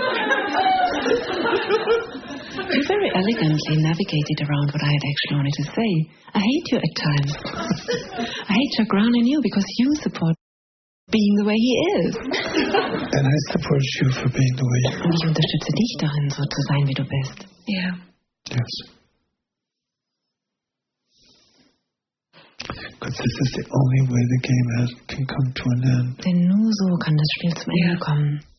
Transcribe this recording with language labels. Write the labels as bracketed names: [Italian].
[English] You very elegantly navigated around what I had actually wanted to say. I hate you at times. I hate Chagrin in you because you support being the way he is. And I support you for being the way you are. [German] Ich unterstütze dich darin, so zu sein, wie du bist. [English] Yeah. Yes. Because this is the only way the game can come to an end. [German] Denn nur so kann das Spiel zum Ende kommen.